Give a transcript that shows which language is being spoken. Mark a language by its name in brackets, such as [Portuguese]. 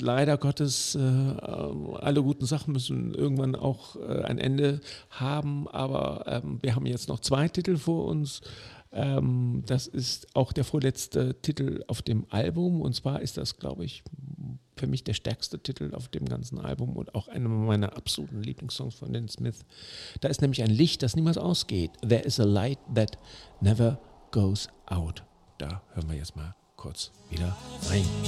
[German] Leider Gottes, alle guten Sachen müssen irgendwann auch ein Ende haben, aber wir haben jetzt noch zwei Titel vor uns. Das ist auch der vorletzte Titel auf dem Album und zwar ist das, glaube ich, für mich der stärkste Titel auf dem ganzen Album und auch einer meiner absoluten Lieblingssongs von den Smiths. Da ist nämlich ein Licht, das niemals ausgeht. [English] There is a light that never goes out. [German] Da hören wir jetzt mal kurz wieder rein.